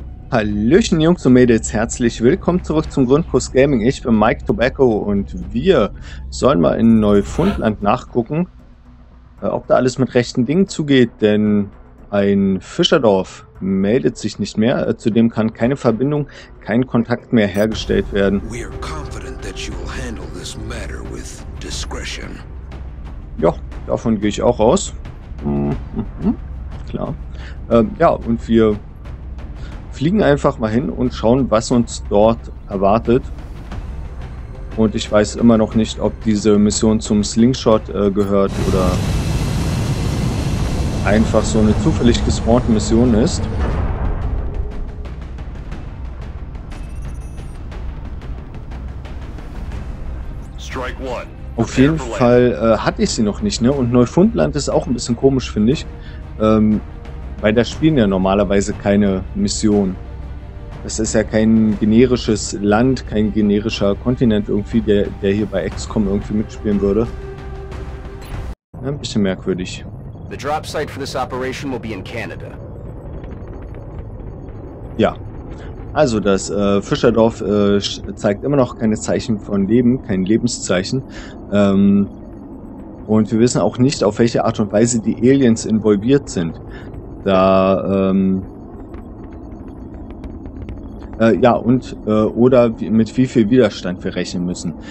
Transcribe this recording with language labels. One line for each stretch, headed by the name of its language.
German: Hallöchen Jungs und Mädels, herzlich willkommen zurück zum Grundkurs Gaming. Ich bin Mike Tobacco und wir sollen mal in Neufundland nachgucken, ob da alles mit rechten Dingen zugeht, denn ein Fischerdorf meldet sich nicht mehr. Zudem kann keine Verbindung, kein Kontakt mehr hergestellt werden.
English: We are confident that you will handle this matter with discretion.
German: Ja, davon gehe ich auch aus. Klar. Und wir fliegen einfach mal hin und schauen, was uns dort erwartet. Und ich weiß immer noch nicht, ob diese Mission zum Slingshot gehört oder einfach so eine zufällig gespawnte Mission ist.
English: Strike one.
German: Auf jeden Fall hatte ich sie noch nicht, ne? Und Neufundland ist auch ein bisschen komisch, finde ich. Weil da spielen ja normalerweise keine Mission. Das ist ja kein generisches Land, kein generischer Kontinent irgendwie, der hier bei XCOM irgendwie mitspielen würde. Ja, ein bisschen merkwürdig.
English: The drop site for this operation will be in Canada.
German: Ja. Also das Fischerdorf zeigt immer noch keine Zeichen von Leben, kein Lebenszeichen. Und wir wissen auch nicht, auf welche Art und Weise die Aliens involviert sind. Da, oder mit wie viel Widerstand wir rechnen müssen.